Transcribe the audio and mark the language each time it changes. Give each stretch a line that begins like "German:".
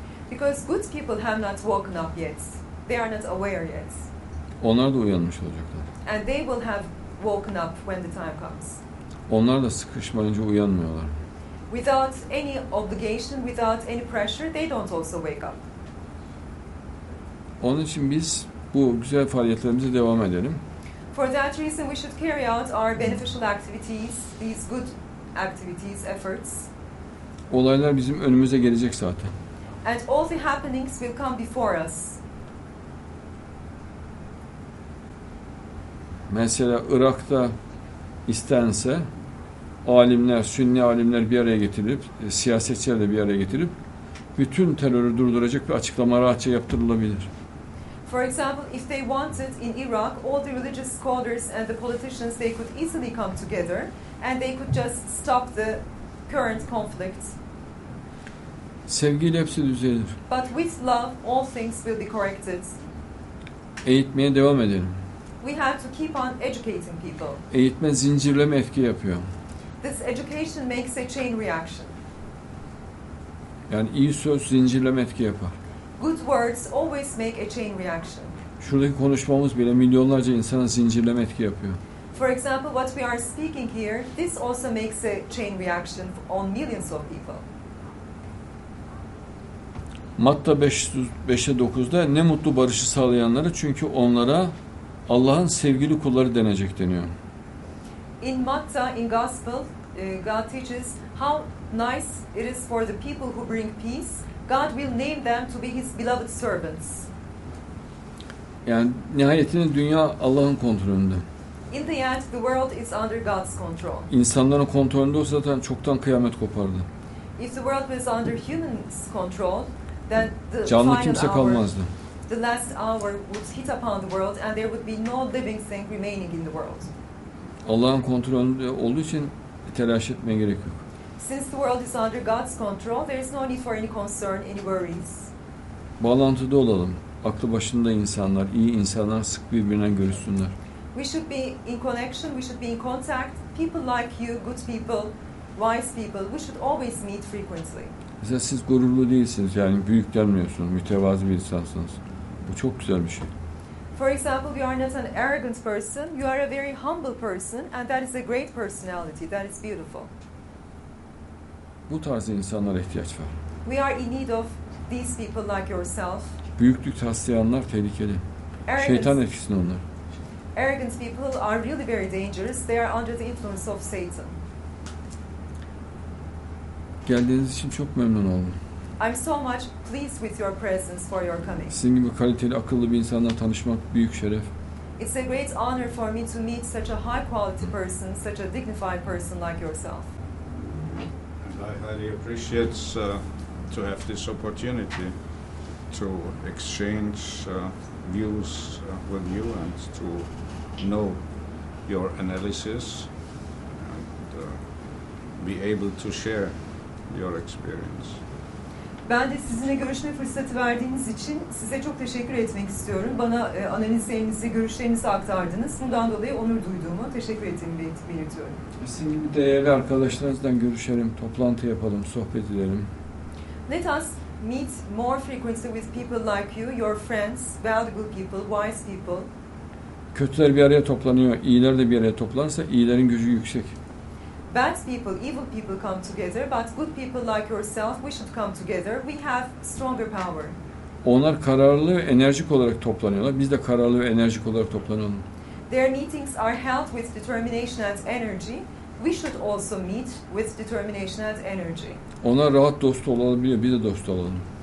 English: Because good people have not woken up yet. They are not aware yet.
Turkish: Onlar da uyanmış olacaklar.
English: And they will have woken up when the time comes.
Turkish: Onlar da sıkışmayınca uyanmıyorlar.
English: Without any obligation, without any pressure, they don't also wake up.
Turkish: Onun için biz bu güzel faaliyetlerimize devam edelim.
English: For that reason, we should carry out our beneficial activities, these good activities, efforts.
Turkish: Olaylar bizim önümüze gelecek zaten.
English: And all the happenings will come before us.
Turkish: Mesela Irak'ta istense alimler, Sünni alimler bir araya getirip, siyasetçiler de bir araya getirip bütün terörü durduracak bir açıklama rahatça yaptırılabilir.
English: For example, if they wanted in Iraq, all the religious scholars and the politicians, they could easily come together and they could just stop the current conflict.
Turkish: Sevgiyle hepsi düzelir.
English: But with love, all things will be corrected.
Turkish: Eğitmeye devam edelim.
English: We have to keep on educating people.
Turkish: Eğitme zincirleme etki yapıyor.
English: This education makes a chain reaction.
Turkish: Yani iyi söz zincirleme etki yapar.
English: Good words always make a chain reaction.
Turkish: Şuradaki konuşmamız bile milyonlarca insana zincirleme etki yapıyor.
English: For example, what we are speaking here, this also makes a chain reaction on millions of people.
Turkish: Matta 5'e 9'da ne mutlu barışı sağlayanları, çünkü onlara Allah'ın sevgili kulları denecek deniyor.
English: In Matta, in Gospel, God teaches how nice it is for the people who bring peace. God will name them to be his beloved servants.
Turkish: Yani nihayetinde dünya Allah'ın kontrolünde.
English: In the end, the world is under God's control.
Turkish: İnsanların kontrolünde olsa zaten çoktan kıyamet kopardı.
English: If the world was under humans' control, then the
Turkish: canlı kimse kalmazdı.
English: The last hour would hit upon the world and there would be no living thing remaining in the world.
Turkish: Allah'ın kontrolünde olduğu için telaş etmeye gerek yok.
English: Since the world is under God's control, there is no need for any concern, any worries.
Turkish: bağlantıda olalım. Aklı başında insanlar, iyi insanlar sık birbirine görüşsünler.
English: We should be in connection, we should be in contact. People like you, good people, wise people, we should always meet frequently.
Turkish: Mesela siz gururlu değilsiniz, yani büyük denmiyorsunuz, mütevazı bir insansınız. Bu çok güzel bir şey.
English: For example, you are not an arrogant person, you are a very humble person and that is a great personality, that is beautiful.
Turkish: Bu tarz insanlara ihtiyaç var.
English: We are in need of these people like yourself.
Turkish: Büyüklük taslayanlar tehlikeli.
English: Arrogant.
Turkish: Şeytan etkisinde onlar.
English: Arrogant people are really very dangerous. They are under the influence of Satan.
Turkish: Geldiğiniz için çok memnun oldum.
English: I'm so much pleased with your presence for your coming.
Turkish: Sizin gibi kaliteli, akıllı bir insanla tanışmak büyük şeref.
English: It's a great honor for me to meet such a high quality person, such a dignified person like yourself. And I highly appreciate to have this opportunity to exchange views with you and to know your analysis and be able to share your experience.
Turkish: Ben de sizinle görüşme fırsatı verdiğiniz için size çok teşekkür etmek istiyorum. Bana analizlerinizi, görüşlerinizi aktardınız. Bundan dolayı onur duyduğumu, teşekkür ettiğimi belirtiyorum. Sizin gibi değerli arkadaşlarınızla görüşelim, toplantı yapalım, sohbet edelim.
English: Let us meet more frequently with people like you, your friends, valuable people, wise people.
Turkish: Kötüler bir araya toplanıyor, iyiler de bir araya toplarsa iyilerin gücü yüksek.
English: Bad people, evil people come together, but good people like yourself, we should come together. We have stronger power.
Turkish: Onlar kararlı ve enerjik olarak toplanıyorlar. Biz de kararlı ve enerjik olarak toplanalım.
English: Their meetings are held with determination and energy. We should also meet with determination and energy.
Turkish: Onlar rahat dost olabiliyor, biz de dost olalım.